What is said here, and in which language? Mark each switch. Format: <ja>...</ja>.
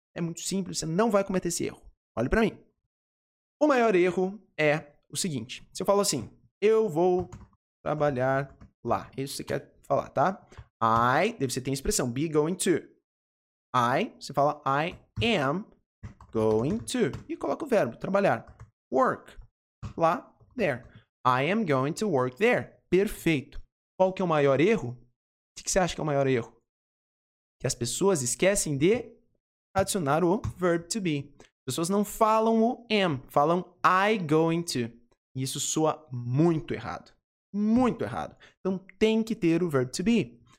<pt>É muito simples, você não vai cometer esse erro. Olhe para mim. O maior erro é o seguinte. Se eu falo assim, eu vou trabalhar lá. Isso você quer falar, tá? I, você tem a expressão, be going to.</pt> <en>I,</en> <pt>você fala,</pt> <en>I am going to.</en> <pt>E coloca o verbo, trabalhar.</pt> <en>Work, lá, there. I am going to work there.</en> <pt>Perfeito. Qual que é o maior erro? O que você acha que é o maior erro? Que as pessoas esquecem de adicionar o verb to be. As pessoas não falam o am, falam I going to. E isso soa muito errado. Muito errado. Então, tem que ter o verb to be.</pt>